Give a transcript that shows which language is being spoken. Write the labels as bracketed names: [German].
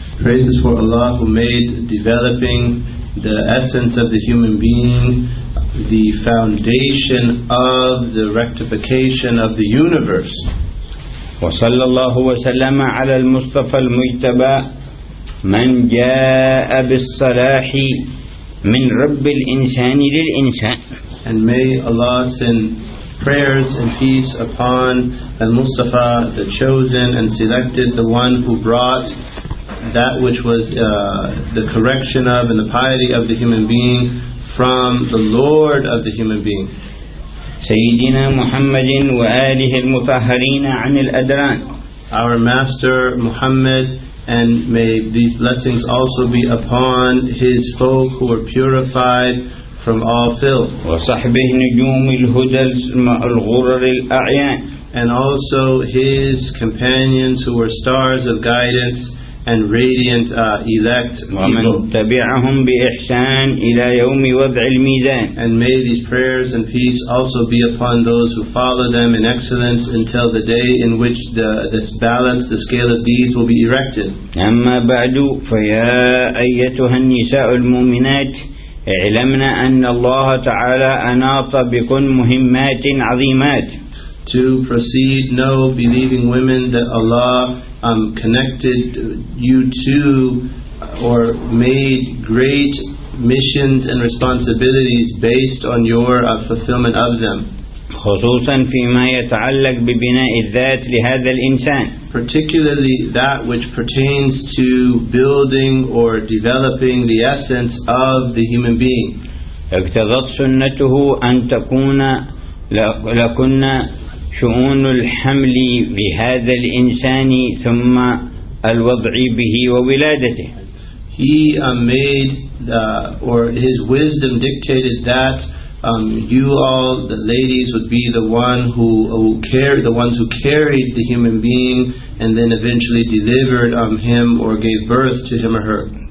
[English] Praises for Allah who made developing the essence of the human being the foundation of the rectification of the universe. [Arabic] وصلى الله وسلم على المصطفى المجتبى من جاء بالصلاح من رب الإنسان للإنسان. [English] And may Allah send prayers and peace upon al-Mustafa, the chosen and selected, the one who brought that which was the correction of and the piety of the human being from the Lord of the human being. [Arabic] سيدنا محمد وآله المطهرين عن الأدران. [English] Our Master Muhammad, and may these blessings also be upon his folk who are purified from all filth. [Arabic] وصحبه نجوم الهدى الغرر الأعيان. [English] And also his companions who were stars of guidance and radiant elect [Arabic] ومن [English] people. [Arabic] تبعهم بإحسان إلى يوم وضع الميزان. [English] And may these prayers and peace also be upon those who follow them in excellence until the day in which this balance, the scale of deeds will be erected. [Arabic] أما بعد فيا أيتها النساء المؤمنات اعلمنا أن الله تعالى أناط بكن مهمات عظيمات. [English] To proceed, know, believing women, that Allah connected you to or made great missions and responsibilities based on your fulfillment of them. [Arabic] خصوصا فيما يتعلق ببناء الذات لهذا الإنسان. [English] Particularly that which pertains to building or developing the essence of the human being. [Arabic] اقتضت سنته أن تكون لكنا شؤون الحمل بهذا الإنسان ثم الوضع به وولادته. [English] He made or his wisdom dictated that you all, the ladies, would be the one who carried the human being and then eventually delivered him or gave birth to him or her.